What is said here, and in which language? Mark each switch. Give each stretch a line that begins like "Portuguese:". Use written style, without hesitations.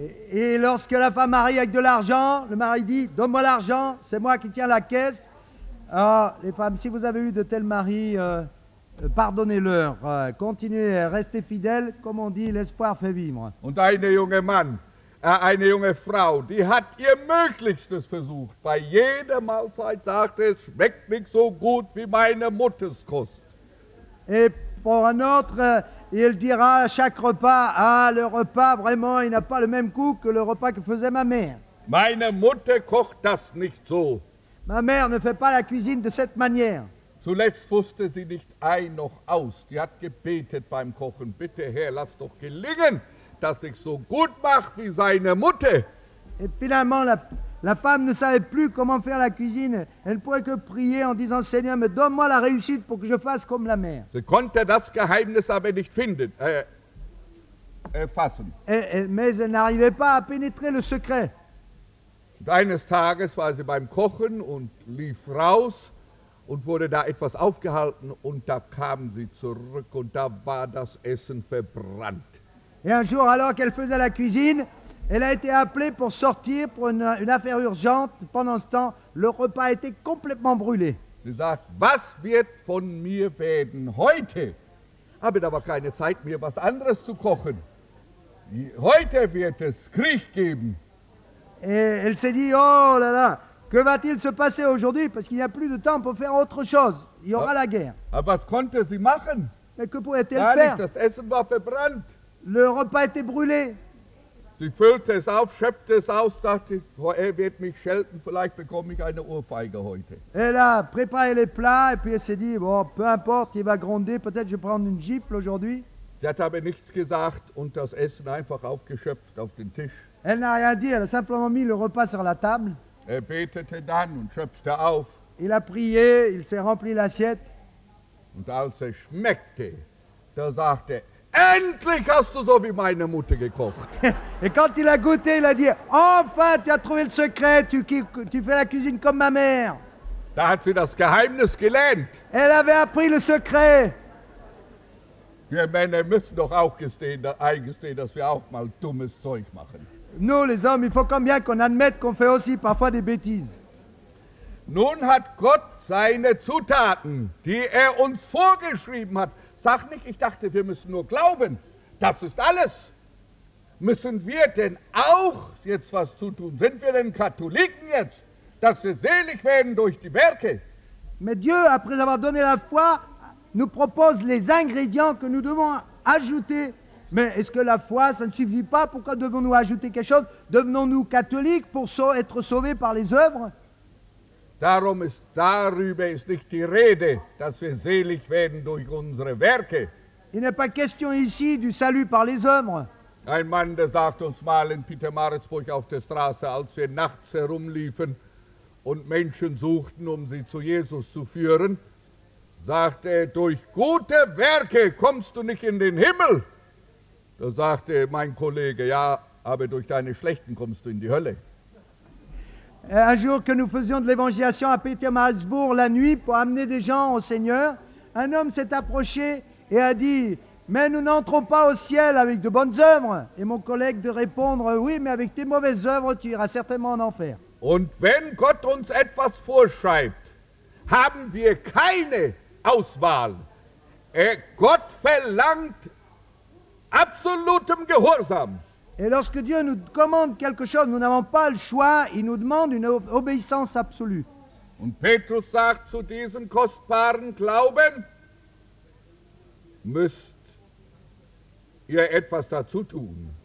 French: Et lorsque la femme arrive avec de l'argent, le mari dit, donne-moi l'argent, c'est moi qui tiens la caisse. Les femmes, si vous avez eu de tels maris, pardonnez-leur. Continuez, restez fidèles, comme on dit, l'espoir fait vivre.
German: Und eine junge Mann, Eine junge Frau, die hat ihr Möglichstes versucht. Bei jeder Mahlzeit sagte, es schmeckt nicht so gut wie meine Mutterskost.
French: Et pour un autre, il dira à chaque repas, ah, le repas, vraiment, il n'a pas le même goût que le repas que faisait ma mère.
German: Meine Mutter kocht das nicht so.
French: Ma mère ne fait pas la cuisine de cette manière.
German: Zuletzt wusste sie nicht ein noch aus. Die hat gebetet beim Kochen. Bitte, Herr, lass doch gelingen, dass ich so gut mache wie seine Mutter.
French: Et finalement, la femme ne savait plus comment faire la cuisine. Elle ne pouvait que prier en disant, Seigneur, mais donne-moi la réussite pour que je fasse comme la mère.
German: Sie konnte das Geheimnis aber nicht finden, fassen.
French: Mais elle n'arrivait pas à pénétrer le secret.
German: Und eines Tages war sie beim Kochen und lief raus und wurde da etwas aufgehalten und da kam sie zurück und da war das Essen verbrannt.
French: Et un jour, alors qu'elle faisait la cuisine, elle a été appelée pour sortir pour une affaire urgente. Pendant ce temps, le repas était complètement brûlé.
German: Sie sagt, was wird von mir werden heute? Habe da aber keine Zeit, mir was anderes zu kochen. Heute wird es Krieg geben.
French: Et elle s'est dit, oh là là, que va-t-il se passer aujourd'hui? Parce qu'il n'y a plus de temps pour faire autre chose. Il y aura la guerre.
German: Aber was konnte sie machen?
French: Mais que pouvait-elle faire?
German: Nicht, das Essen war verbrannt.
French: Le repas était brûlé.
German: Sie füllte es auf, schöpfte es aus, dachte, er wird mich schelten, vielleicht bekomme ich eine Ohrfeige heute.
French: Elle a préparé les plats et puis elle s'est dit, bon, peu importe, il va gronder, peut-être je vais prendre une gifle aujourd'hui.
German: Sie hat aber nichts gesagt und das Essen einfach aufgeschöpft auf den Tisch.
French: Elle n'a rien dit, elle a simplement mis le repas sur la table.
German: Er betete dann und schöpfte auf.
French: Il a prié, il s'est rempli l'assiette.
German: Und als er schmeckte, da sagte, endlich hast du so wie meine Mutter gekocht.
French: Et quand il a goûté, il a dit, enfin, tu as trouvé le secret, tu fais la cuisine comme ma mère.
German: Da hat sie das Geheimnis gelernt.
French: Elle avait appris le secret.
German: Wir Männer müssen doch auch eingestehen, dass wir auch mal dummes Zeug machen.
French: Nous, les hommes, il faut quand bien qu'on admette qu'on fait aussi parfois des bêtises.
German: Nun hat Gott seine Zutaten, die uns vorgeschrieben hat. Sag nicht, ich dachte, wir müssen nur glauben. Das ist alles. Müssen wir denn auch jetzt was zu tun? Sind wir denn Katholiken jetzt, dass wir selig werden durch die Werke?
French: Mais Dieu, après avoir donné la foi, nous propose les ingrédients que nous devons ajouter. Mais est-ce que la foi, ça ne suffit pas? Pourquoi devons-nous ajouter quelque chose? Devenons-nous catholiques pour être sauvés par les œuvres?
German: Darum ist, darüber ist nicht die Rede, dass wir selig werden durch unsere Werke.
French: Il n'est pas question ici du salut par les œuvres.
German: Ein Mann, der sagt uns mal in Pietermaritzburg auf der Straße, als wir nachts herumliefen und Menschen suchten, sie zu Jesus zu führen, sagte er, durch gute Werke kommst du nicht in den Himmel. Da sagte mein Kollege, ja, aber durch deine Schlechten kommst du in die Hölle.
French: Un jour que nous faisions de l'évangélisation à Pietermaritzburg la nuit pour amener des gens au Seigneur, un homme s'est approché et a dit, mais nous n'entrons pas au ciel avec de bonnes œuvres. Et mon collègue de répondre, oui, mais avec tes mauvaises œuvres, tu iras certainement en enfer.
German: Und wenn Gott uns etwas vorschreibt, haben wir keine Auswahl. Gott verlangt absolutem Gehorsam.
French: Et lorsque Dieu nous commande quelque chose, nous n'avons pas le choix, il nous demande une obéissance absolue.
German: Und Petrus sagt zu diesem kostbaren Glauben, müsst ihr etwas dazu tun.